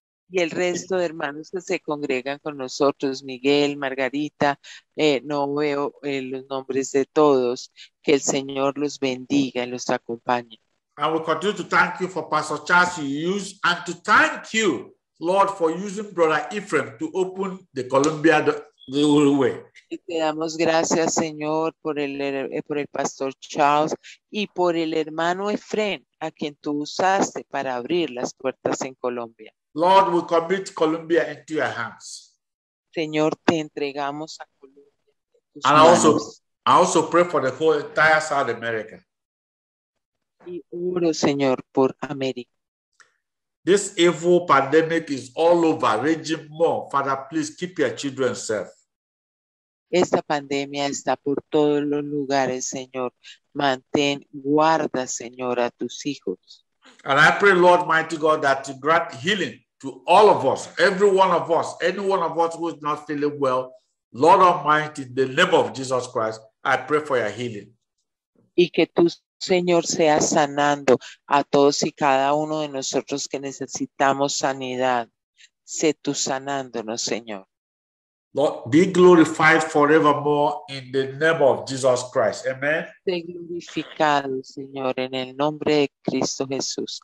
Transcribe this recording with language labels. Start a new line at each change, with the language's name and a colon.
Spanish: Y el resto de hermanos que se congregan con nosotros, Miguel, Margarita, no veo los nombres de todos. Que el Señor los bendiga y los acompañe.
English: And we continue to thank you for Pastor Charles you use, and to thank you, Lord, for using Brother Ephraim to open the Columbia Railway.
Spanish: Y te damos gracias, Señor, por el Pastor Charles y por el hermano Efren, a quien tú usaste para abrir las puertas en Colombia.
English: Lord, we commit Colombia into your hands.
Spanish: Señor, te entregamos a Colombia.
English: And I also pray for the whole entire South America.
Spanish: Y oro, Señor, por América.
English: This evil pandemic is all over, raging more. Father, please keep your children safe.
Spanish: Esta pandemia está por todos los lugares, Señor. Mantén, guarda, Señor, a tus hijos.
English: And I pray, Lord, mighty God, that you grant healing to all of us, every one of us, any one of us who is not feeling well. Lord Almighty, in the name of Jesus Christ, I pray for your healing.
Spanish: Y que tú, Señor, seas sanando a todos y cada uno de nosotros que necesitamos sanidad. Sé tú sanándonos, Señor.
English: Lord, be glorified forevermore in the name of Jesus Christ. Amen.
Spanish: Sé glorificado, Señor, en el nombre de Cristo Jesús.